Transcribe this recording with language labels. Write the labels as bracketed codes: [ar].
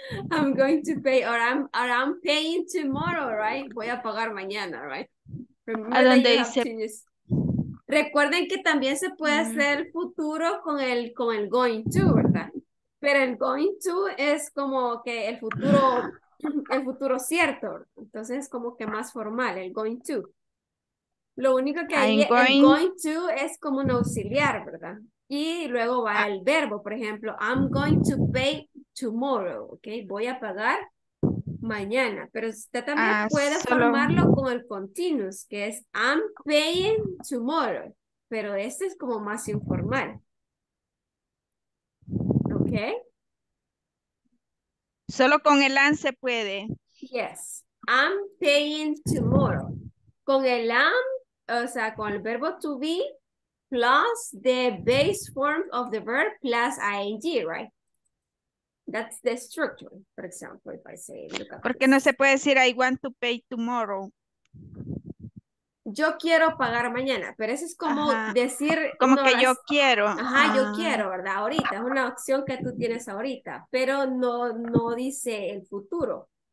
[en] I'm going to pay, or I'm paying tomorrow, right? [es] Voy a pagar mañana, right? Remember, ¿a dónde dice? Recuerden que también se puede hacer el futuro con el going to, ¿verdad? Pero el going to es como que el futuro cierto, ¿verdad? Entonces es como que más formal, el going to. Lo único que hay, el going to es como un auxiliar, ¿verdad? Y luego va el verbo, por ejemplo, [en] I'm going to pay tomorrow, [es] ¿ok? Voy a pagar mañana. Pero usted también puede formarlo con el continuous, que es [en] I'm paying tomorrow. [es] Pero este es como más informal. ¿Ok? Solo con el am se puede. [en] Yes. I'm paying tomorrow. [es] Con el am, o sea, con el verbo [en] to be, plus the base form of the verb plus ing, right? That's the structure, for example, if I say... Look [es] at. ¿Por qué no se puede decir [en] I want to pay tomorrow? [es] Yo quiero pagar mañana, pero eso es como decir... Como no, que yo quiero. Ajá, yo quiero, ¿verdad? Ahorita, es una opción que tú tienes ahorita, pero no dice el futuro.